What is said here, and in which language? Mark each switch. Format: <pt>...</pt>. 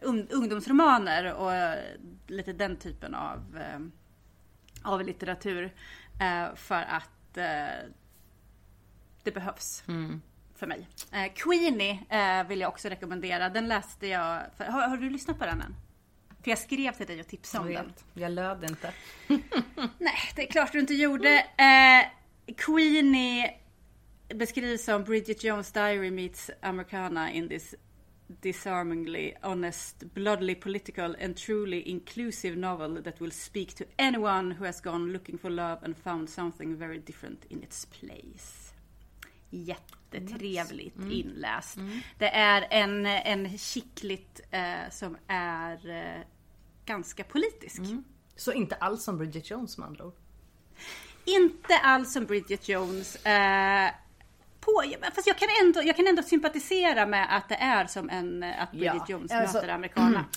<sv>ungdomsromaner och lite den typen av litteratur, för att det behövs för mig. Queenie vill jag också rekommendera. Den läste jag för, har du lyssnat på den än? För jag skrev till dig och tipsade om den. Jag löd inte. Nej, det är klart du inte gjorde.</sv> <en>Queenie beskrivs som Bridget Jones Diary meets Americana in this disarmingly honest, bloodily political and truly inclusive novel that will speak to anyone who has gone looking for love and found something very different in its place.</en> <sv>Jättetrevligt inläst. Det är en chicklit som är ganska politisk. Så inte alls som Bridget Jones, man då? Inte alls som Bridget Jones. på. Fast jag kan ändå sympatisera med att det är som en att Bridget Jones möter amerikanerna.</sv>